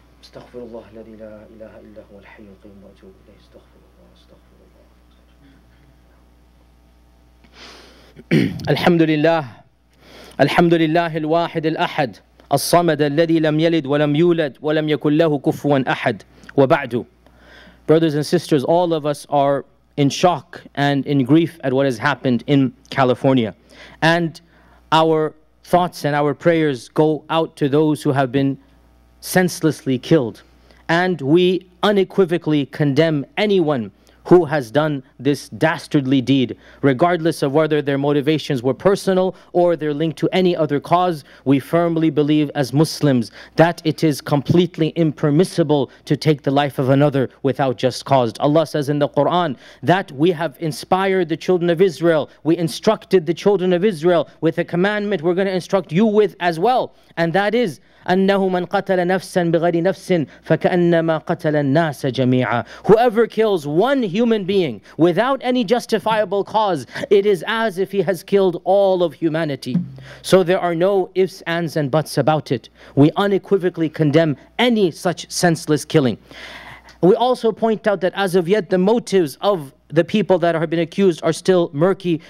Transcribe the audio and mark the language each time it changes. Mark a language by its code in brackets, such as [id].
[ar] استغفر الله الذي لا إله إلا هو الحي القيوم وأتوب إليه. استغفر الله استغفر الله. الحمد لله الحمد لله الواحد الأحد الصمد الذي لم يلد ولم يولد ولم يكن له كفوا أحد وبعد. [en] Brothers and sisters, all of us are in shock and in grief at what has happened in California, and our thoughts and our prayers go out to those who have been senselessly killed. And we unequivocally condemn anyone who has done this dastardly deed, regardless of whether their motivations were personal or they're linked to any other cause. We firmly believe as Muslims that it is completely impermissible to take the life of another without just cause. Allah says in the Quran that we have inspired the children of Israel. We instructed the children of Israel with a commandment we're going to instruct you with as well. And that is, [ar] أنه من قتل نفسا بغير نفس فكأنما قتل الناس جميعا. [en] Whoever kills one human being without any justifiable cause, it is as if he has killed all of humanity. So there are no ifs, ands, and buts about it. We unequivocally condemn any such senseless killing. We also point out that as of yet, the motives of the people that have been accused are still murky.